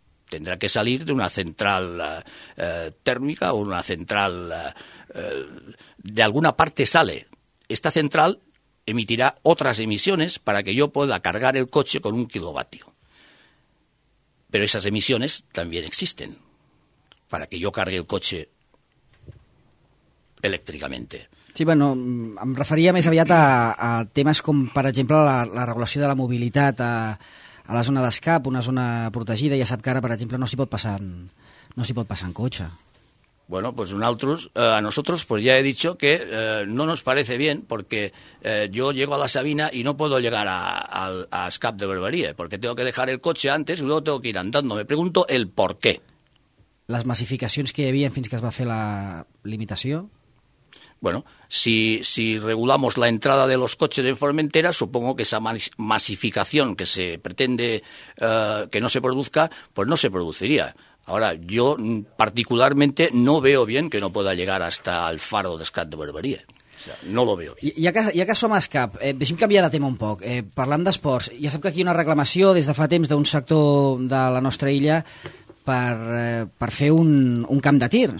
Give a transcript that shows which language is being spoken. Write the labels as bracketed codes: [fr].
[es] Tendrá que salir de una central térmica o una central, de alguna parte sale. Esta central emitirá otras emisiones para que yo pueda cargar el coche con 1 kilovatio. Pero esas emisiones también existen para que yo cargue el coche elèctricamente. [ca] Sí, bueno, em referia més aviat a temes com, per exemple, la regulació de la mobilitat a la zona d'escap, una zona protegida. Ja sap que ara, per exemple, no s'hi pot passar en cotxe. [es] Bueno, pues nosotros, ya he dicho que no nos parece bien, porque yo llego a la Sabina y no puedo llegar a Escap de Barberia, porque tengo que dejar el coche antes y luego tengo que ir andando. Me pregunto el por qué. [ca] Les massificacions que hi havia fins que es va fer la limitació. [es] Bueno, si regulamos la entrada de los coches en Formentera, supongo que esa masificación que se pretende que no se produzca, pues no se produciría. Ahora, yo particularmente no veo bien que no pueda llegar hasta el faro de Escat de Barberia. No lo veo. [ca] Ja que som a Escap, deixem canviar de tema un poc. Parlem d'esports. Ja sap que aquí hi ha una reclamació des de fa temps d'un sector de la nostra illa per fer un camp de tir.